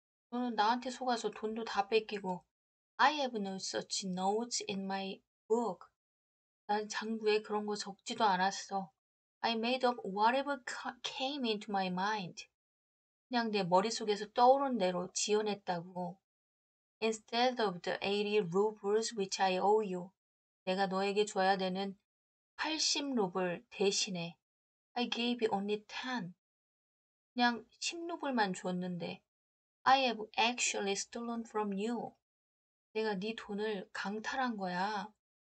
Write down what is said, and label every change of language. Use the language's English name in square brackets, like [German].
[Korean] 너는 나한테 속아서 돈도 다 뺏기고. [English] I have no such notes in my book. [Korean] 난 장부에 그런 거 적지도 않았어. [English] I made up whatever came into my mind. [Korean] 그냥 내 머릿속에서 떠오른 대로 지어냈다고. [English] Instead of the 80 rubles which I owe you. [Korean] 내가 너에게 줘야 되는 80루블 대신에. [English] I gave you only 10. [Korean] 그냥 10루블만 줬는데. [English] I have actually stolen from you. [Korean] 내가 네 돈을 강탈한 거야.